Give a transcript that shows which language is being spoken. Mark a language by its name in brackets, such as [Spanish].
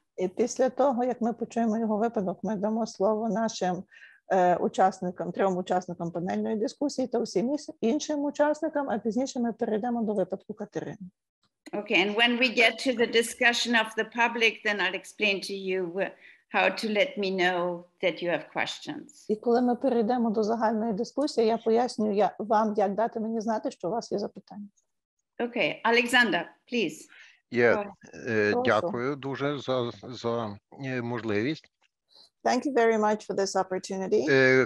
[Ukrainian] І після того, як ми почуємо його випадок, ми дамо слово нашим учасникам, трьом учасникам панельної дискусії та усім іншим учасникам, а пізніше ми перейдемо до випадку Катерини. [English] Okay, and when we get to the discussion of the public, then I'll explain to you how to let me know that you have questions. [Ukrainian] І коли ми перейдемо до загальної дискусії, я поясню вам, як дати мені знати, що у вас є запитання. [English] Okay, Oleksandr, please. [Ukrainian] Yeah, дякую дуже за можливість. [English] Thank you very much for this opportunity.